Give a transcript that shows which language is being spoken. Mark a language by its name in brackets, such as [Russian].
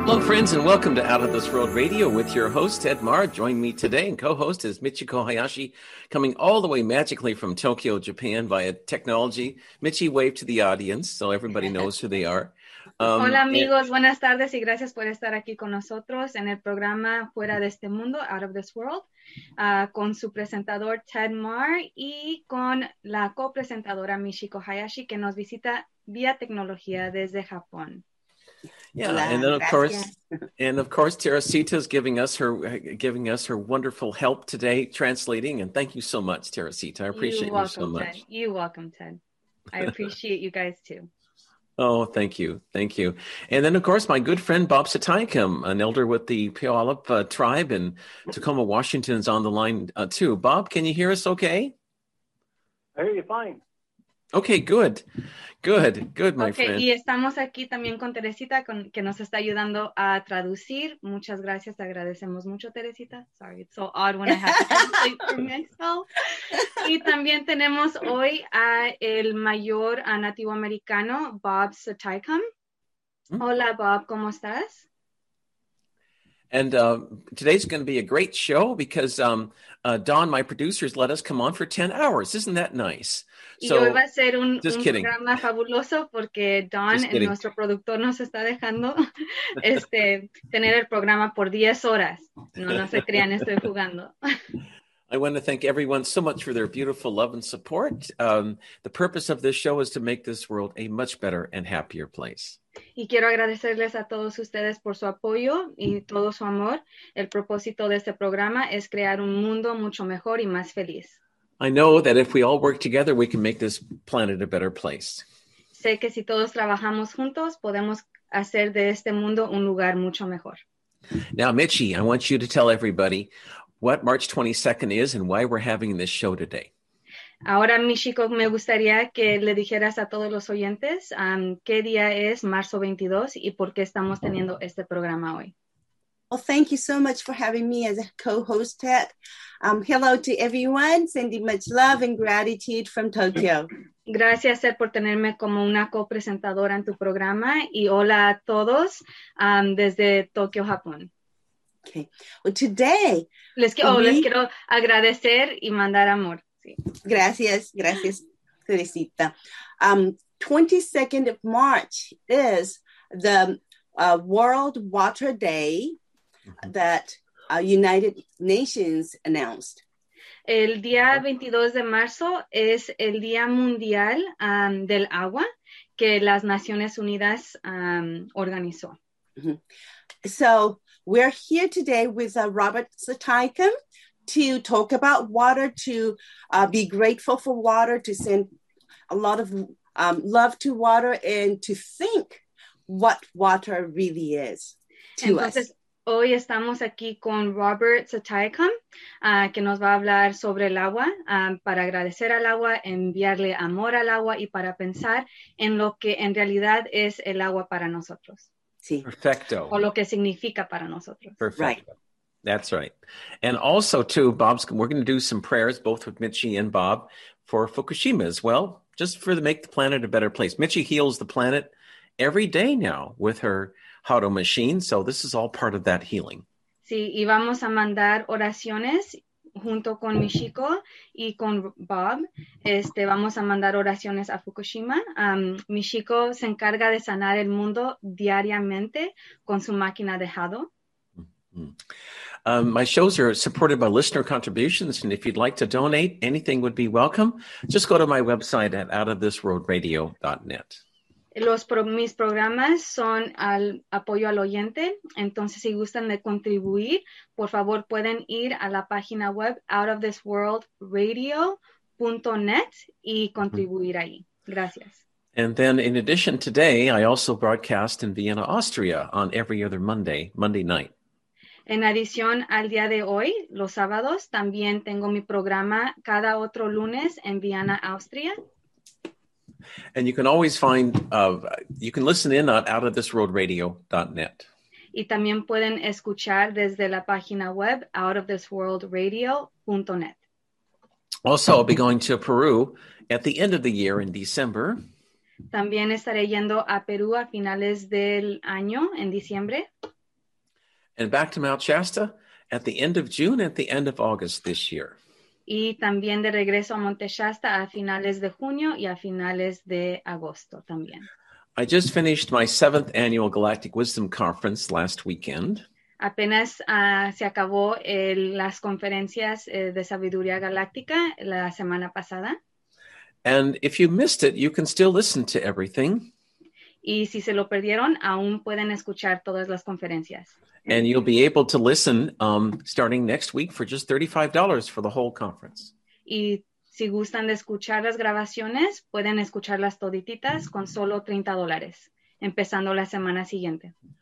[English] friends, and welcome to Out of This World Radio with your host, Ed Marr. Join me today and co-host is Michiko Hayashi, coming all the way magically from Tokyo, Japan via technology. Michi, wave to the audience so everybody knows who they are. [Spanish] Hola, amigos. And buenas tardes y gracias por estar aquí con nosotros en el programa Fuera de Este Mundo, Out of This World, con su presentador Ted Marr y con la copresentadora Michiko Hayashi, que nos visita vía tecnología desde Japón. [English] Yeah, hola, and then of gracias. Course, and of course, Teresita is giving us her wonderful help today translating. And thank you so much, Teresita. I appreciate you so much. You're welcome, Ted. I appreciate you guys too. Oh, thank you. Thank you. And then, of course, my good friend, Bob Satayakim, an elder with the Puyallup tribe in Tacoma, Washington, is on the line too. Bob, can you hear us okay? I hear you fine. Okay, good. Good, good, my friend. [Spanish] Okay, y estamos aquí también con Teresita, que nos está ayudando a traducir. Muchas gracias, te agradecemos mucho, Teresita. [English] Sorry, it's so odd when I have to translate for myself. [Spanish] Y también tenemos hoy a el mayor nativo americano, Bob Satayakim. Hola, Bob, ¿cómo estás? [English] And today's going to be a great show because Don, my producer, has let us come on for 10 hours. Isn't that nice? [Spanish] So, y hoy va a ser un programa fabuloso porque Don, nuestro productor, nos está dejando tener el programa por 10 horas. No se crean, estoy jugando. [English] I want to thank everyone so much for their beautiful love and support. The purpose of this show is to make this world a much better and happier place. [Spanish] Y quiero agradecerles a todos ustedes por su apoyo y todo su amor. El propósito de este programa es crear un mundo mucho mejor y más feliz. [English] I know that if we all work together, we can make this planet a better place. [Spanish] Sé que si todos trabajamos juntos, podemos hacer de este mundo un lugar mucho mejor. [English] Now, Michi, I want you to tell everybody what March 22nd is and why we're having this show today. [Spanish] Ahora, Michiko, me gustaría que le dijeras a todos los oyentes qué día es marzo 22 y por qué estamos teniendo este programa hoy. [English] Well, thank you so much for having me as a co-host, Ted. Hello to everyone, sending much love and gratitude from Tokyo. [Spanish] Gracias, Ted, por tenerme como una co-presentadora en tu programa y hola a todos desde Tokio, Japón. [English] Okay. Well, today... [Spanish] les quiero agradecer y mandar amor. Gracias, gracias, Teresita. [English] 22nd of March is the World Water Day that United Nations announced. [Spanish] El día 22 de marzo es el Día Mundial del Agua que las Naciones Unidas organizó. Mm-hmm. [English] So we're here today with Robert Satayakim to talk about water, to be grateful for water, to send a lot of love to water, and to think what water really is to [Spanish] Entonces, [English] us. [Spanish] Hoy estamos aquí con Robert Satayakim, que nos va a hablar sobre el agua, para agradecer al agua, enviarle amor al agua, y para pensar en lo que en realidad es el agua para nosotros. Sí. Perfecto. O lo que significa para nosotros. [English] Perfecto. Right. That's right. And also, too, Bob's, we're going to do some prayers, both with Michi and Bob, for Fukushima as well, just for the make the planet a better place. Michi heals the planet every day now with her Hado machine, so this is all part of that healing. [Spanish] Sí, y vamos a mandar oraciones junto con Michiko y con Bob. Vamos a mandar oraciones a Fukushima. Michiko se encarga de sanar el mundo diariamente con su máquina de Hado. [English] My shows are supported by listener contributions, and if you'd like to donate, anything would be welcome. Just go to my website at outofthisworldradio.net. [Spanish] Mis programas son al apoyo al oyente, entonces si gustan de contribuir, por favor pueden ir a la página web outofthisworldradio.net y contribuir ahí. Gracias. [English] And then in addition, today I also broadcast in Vienna, Austria on every other Monday night. [Spanish] En adición al día de hoy, los sábados, también tengo mi programa cada otro lunes en Viena, Austria. [English] And you can always find, you can listen in at outofthisworldradio.net. [Spanish] Y también pueden escuchar desde la página web outofthisworldradio.net. [English] Also, I'll be going to Peru at the end of the year in December. [Spanish] También estaré yendo a Perú a finales del año, en diciembre. [English] And back to Mount Shasta at the end of June, at the end of August this year. [Spanish] Y también de regreso a Monte Shasta a finales de junio y a finales de agosto también. [English] I just finished my 7th annual Galactic Wisdom Conference last weekend. [Spanish] Apenas se acabó las conferencias de sabiduría galáctica la semana pasada. [English] And if you missed it, you can still listen to everything. [Spanish] Y si se lo perdieron, aún pueden escuchar todas las conferencias. [English] And you'll be able to listen starting next week for just $35 for the whole conference. [Spanish] Y si gustan de escuchar las grabaciones, pueden escucharlas todititas con solo $30, empezando la semana siguiente.